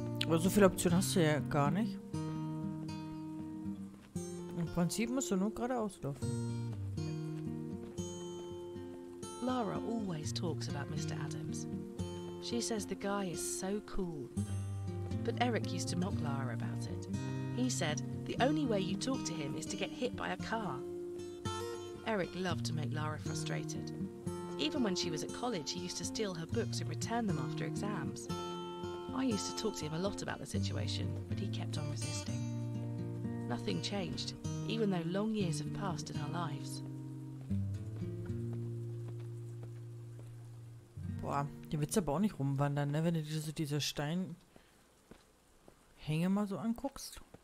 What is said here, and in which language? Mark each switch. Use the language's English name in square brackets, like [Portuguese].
[German] Aber so viele Optionen hast du ja gar nicht. Im Prinzip musst du nur geradeaus laufen. [English] Lara always talks about Mr. Adams. She says the guy is so cool. But Eric used to mock Lara about it. He said the only way you talk to him is to get hit by a car. Eric loved to make Lara frustrated. Even when she was at college, he used to steal her books and return them after exams. I used to talk to him a lot about the situation, but he kept on resisting. Nothing changed, even though long years have passed in our lives. [German] Boah, der wird's aber auch nicht rumwandern, ne? Wenn du dir so diese Steinhänge mal so anguckst.